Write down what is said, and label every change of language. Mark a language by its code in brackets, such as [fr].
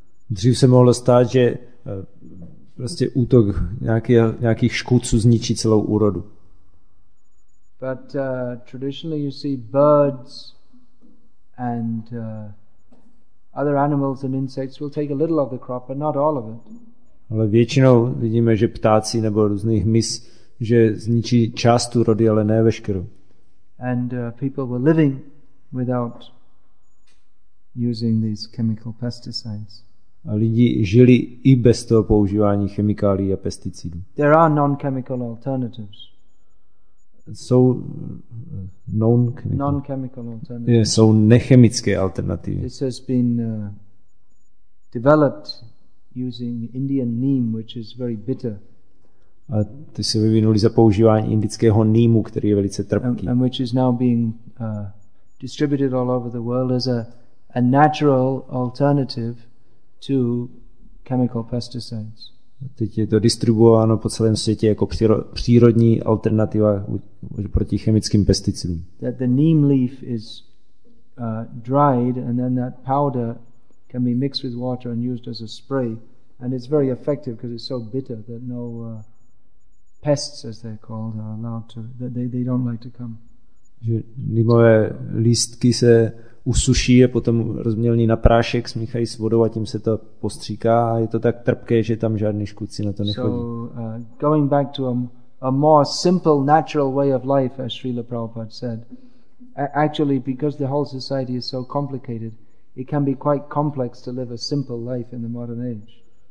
[cs] Dřív se mohlo stát, že prostě útok nějakých škůdců zničí celou úrodu. [en] But traditionally you see birds and other animals and insects will take a little of the crop but not all of it. [cs] Ale většinou vidíme, že ptáci nebo různý hmyz, že zničí část úrody, ale ne veškerou. [en] And people were living without using these chemical pesticides. [cs] A lidi žili i bez toho používání chemikálií a pesticidů. [en] There are non-chemical alternatives. [cs] Jsou [en] non-chemical alternatives. [cs] Jsou nechemické alternativy. [en] This has been developed using Indian neem, which is very bitter. [cs] A ty se vyvinuli za používání indického nýmu, který je velice trpký. [en] And which is now being distributed all over the world as a natural alternative to chemical pesticides. [cs] Teď je to distribuováno po celém světě jako přírodní alternativa proti chemickým pesticidům. [en] That the neem leaf is dried and then that powder can be mixed with water and used as a spray, and it's very effective because it's so bitter that no pests, as they're called, are allowed to, that they don't like to come. [cs] Že neemové lístky se usuší, je potom rozmělní na prášek, smíchají s vodou a tím se to postříká a je to tak trpké, že tam žádný škůdci na to nechodí. [en] So, going back to a more simple natural way of life, as Srila Prabhupada said, actually because the whole society is so complicated, it can be quite complex to live a simple life in the modern age.